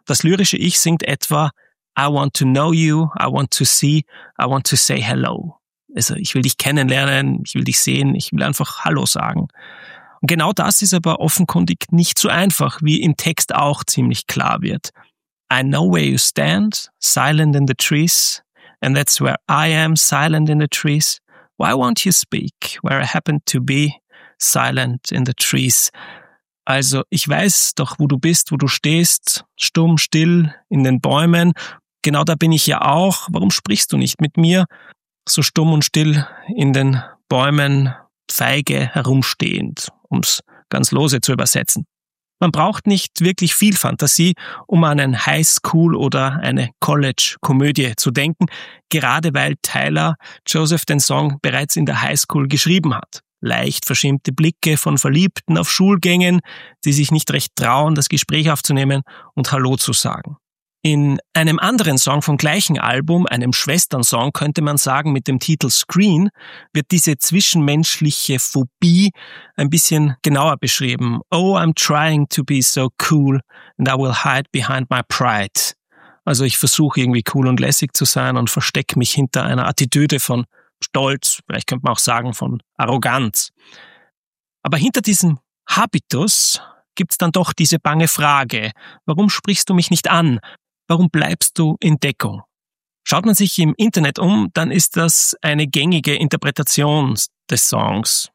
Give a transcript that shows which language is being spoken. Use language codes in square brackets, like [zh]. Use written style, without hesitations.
[de] Das lyrische Ich singt etwa [en] I want to know you, I want to see, I want to say hello. [de] Also ich will dich kennenlernen, ich will dich sehen, ich will einfach Hallo sagen. Und genau das ist aber offenkundig nicht so einfach, wie im Text auch ziemlich klar wird. [en] I know where you stand, silent in the trees. And that's where I am, silent in the trees. Why won't you speak, where I happen to be, silent in the trees? [de] Also, ich weiß doch, wo du bist, wo du stehst, stumm, still, in den Bäumen. Genau da bin ich ja auch. Warum sprichst du nicht mit mir, so stumm und still in den Bäumen, feige herumstehend, um es ganz lose zu übersetzen? Man braucht nicht wirklich viel Fantasie, um an ein Highschool- oder eine College-Komödie zu denken, gerade weil Tyler Joseph den Song bereits in der Highschool geschrieben hat. Leicht verschämte Blicke von Verliebten auf Schulgängen, die sich nicht recht trauen, das Gespräch aufzunehmen und Hallo zu sagen. In einem anderen Song vom gleichen Album, einem Schwestern-Song könnte man sagen, mit dem Titel Screen, wird diese zwischenmenschliche Phobie ein bisschen genauer beschrieben. [en] Oh, I'm trying to be so cool and I will hide behind my pride. [de] Also ich versuche irgendwie cool und lässig zu sein und verstecke mich hinter einer Attitüde von Stolz, vielleicht könnte man auch sagen von Arroganz. Aber hinter diesem Habitus gibt's dann doch diese bange Frage, warum sprichst du mich nicht an? Warum bleibst du in Deckung? Schaut man sich im Internet um, dann ist das eine gängige Interpretation des Songs.